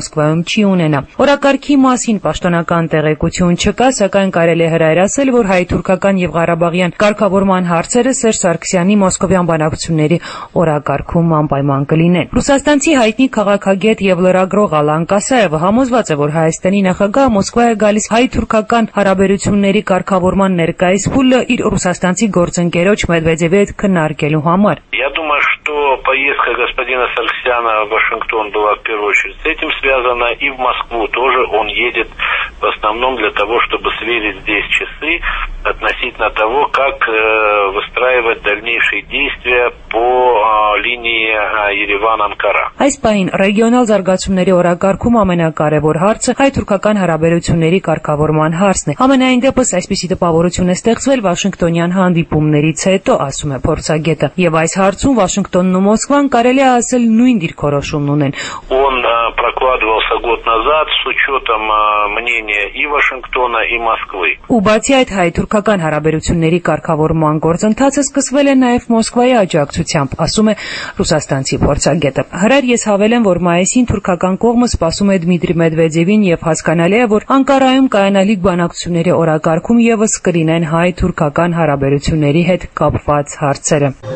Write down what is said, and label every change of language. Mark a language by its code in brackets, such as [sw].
[hy] Մոսկվայում չի ունենա։ Օրակարգի մասին պաշտոնական տեղեկություն չկա, սակայն կարելի է հրայր ասել, որ հայ-թուրքական և Ղարաբաղյան կարգավորման հարցերը Սերժ Սարգսյանի մոսկովյան բանակցությունների օրակարգում անպայման կլինեն։ Ռուսաստանցի հայտնի քաղաքագետ և լրագրող Ալան Կասաևը համոզված է, որ Հայաստանի նախագահը Մոսկվա է գալիս հայ-թուրքական հարաբերությունների կարգավորման ներկայիս փուլը իր ռուսաստանցի գործընկերոջ Մեդվեդևի հետ քննարկելու համար։ [ru] То поездка господина Сарксяна в Вашингтон была в первую очередь с этим связана, и в Москву тоже он едет в основном для того, чтобы сверить здесь часы относительно того, как выстраивать дальнейшие действия по линии Ереван-Анкара. [hy] Այսպահին ռեգիոնալ զարգացումների օրակարգում ամենակարևոր հարցը հայ-թուրքական հարաբերությունների կարգավորման հարցն է։ Համենայն դեպս այսպիսի դպավորություն է ստեղծվել Վաշինգտոնյան հանդիպումներից հետո, ասում է փորձագետը, եւ այս հարցում [ru] Вашингтон и Москва, [hy] կարելի է ասել, նույն դիրքորոշումն ունեն։ [ru] Он прокладывался год назад с учётом мнения и Вашингтона, и Москвы. [hy] Ու բացի այդ, հայ-թուրքական հարաբերությունների կարգավորման գործընթացը սկսվել է նաև Մոսկվայի աջակցությամբ, ասում է ռուսաստանցի փորձագետը։ Հրայր ես հավելեմ, որ մայիսին թուրքական կողմը սպասում է Դմիտրի Մեդվեդևին եւ հասկանալի է, որ Անկարայում կայանալիք բանակցությունների օրակարգում եւս կլինեն հայ-թուրքական հարաբերությունների հետ կապված հարցերը։